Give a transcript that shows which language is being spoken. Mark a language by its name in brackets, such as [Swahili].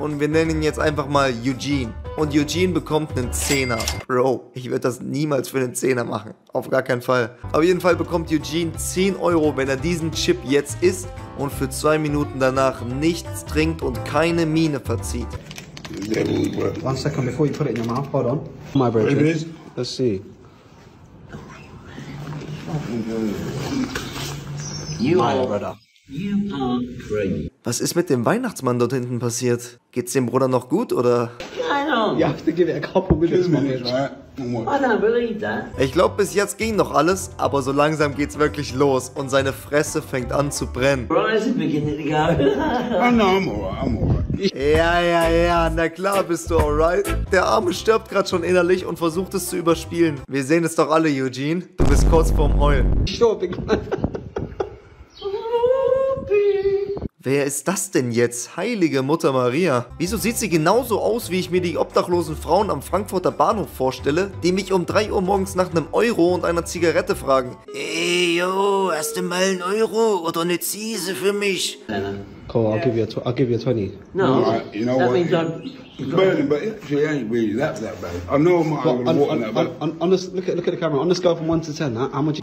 [German] Und wir nennen ihn jetzt einfach mal Eugene. Und Eugene bekommt einen 10er. Bro, ich würde das niemals für einen 10er machen. Auf gar keinen Fall. Auf jeden Fall bekommt Eugene 10 Euro, wenn er diesen Chip jetzt isst und für 2 Minuten danach nichts trinkt und keine Miene verzieht. [English] One second before you put it in your mouth, hold on. My bro, let's see. You are crazy. [German] Was ist mit dem Weihnachtsmann dort hinten passiert? Geht's dem Bruder noch gut oder? Ich glaube, bis jetzt ging noch alles, aber so langsam geht's wirklich los und seine Fresse fängt an zu brennen. Ja, ja, ja, na klar bist du alright. Der Arme stirbt gerade schon innerlich und versucht es zu überspielen. Wir sehen es doch alle, Eugene. Du bist kurz vorm Heulen. Wer ist das denn jetzt? Heilige Mutter Maria. Wieso sieht sie genauso aus, wie ich mir die obdachlosen Frauen am Frankfurter Bahnhof vorstelle, die mich um 3 Uhr morgens nach einem Euro und einer Zigarette fragen? Ey, yo, hast du mal einen Euro oder eine Ziese für mich? [English] Cool, I'll give you a 20. No, right, you know that what? It's burning, but it actually ain't really that bad. I know I'm not having water in that, but... Look at the camera. On the scale from 1 to 10, how much...